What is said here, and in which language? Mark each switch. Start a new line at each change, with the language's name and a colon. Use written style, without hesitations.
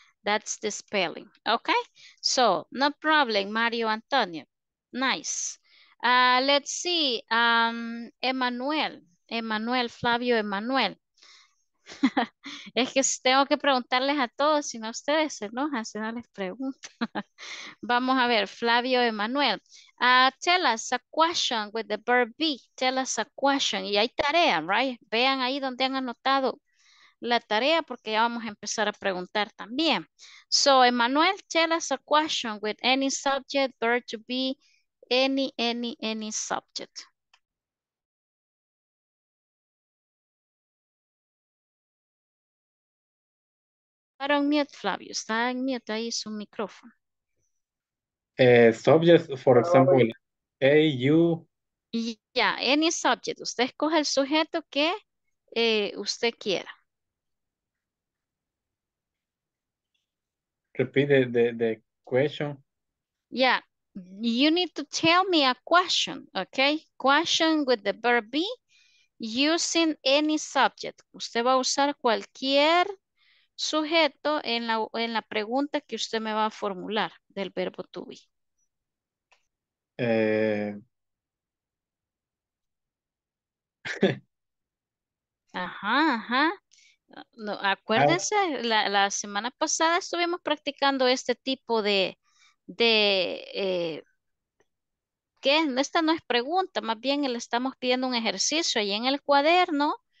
English: That's the spelling, okay? So, no problem, Mario Antonio. Nice. Let's see, Emmanuel.
Spanish: Es que tengo que preguntarles a todos, si no ustedes se enojan, si no les pregunto. Vamos a ver, Flavio Emanuel.
English: Tell us a question with the verb be. Tell us a question.
Spanish: Y hay tarea,
English: right?
Spanish: Vean ahí donde han anotado la tarea porque ya vamos a empezar a preguntar también.
English: So, Emanuel, tell us a question with any subject, verb to be, any subject.
Spanish: Está en mute, Flavio. Está en mute ahí su micrófono.
English: Subject, for example, A, U. Yeah, any subject.
Spanish: Usted escoge el sujeto que usted quiera.
English: Repeat the question. Yeah, you need to tell me a question, okay? Question with the verb be using any subject.
Spanish: Usted va a usar cualquier sujeto en la pregunta que usted me va a formular del verbo to be. Ajá. No, acuérdense, la semana pasada estuvimos practicando este tipo de esta no es pregunta, más bien le estamos pidiendo un ejercicio ahí en el cuaderno.